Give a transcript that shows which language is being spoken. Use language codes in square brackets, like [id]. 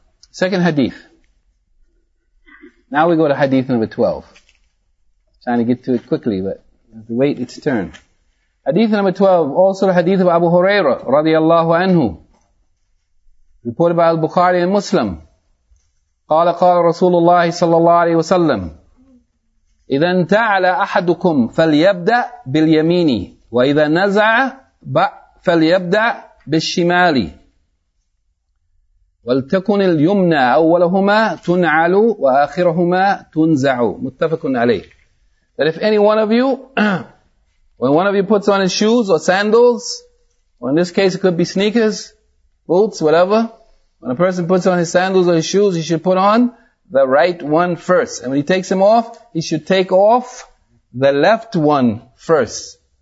[en] Second hadith. Now we go to hadith number 12. Trying to get to it quickly, but to wait its turn. Hadith number 12, also the hadith of Abu Huraira, radiallahu anhu. Reported by Al-Bukhari and Muslim. [ar] قال قال رسول الله صلى الله عليه وسلم إذا انتعل أحدكم فليبدأ باليمين وإذا نزع فليبدأ بالشمال ولتكن اليمنى أولهما تنعل وآخرهما تنزع. متفق عليه. [en] That if any one of you, when one of you puts on his shoes or sandals, or in this case it could be sneakers, boots, whatever, when a person puts on his sandals or his shoes, he should put on the right one first. And when he takes them off, he should take off the left one first.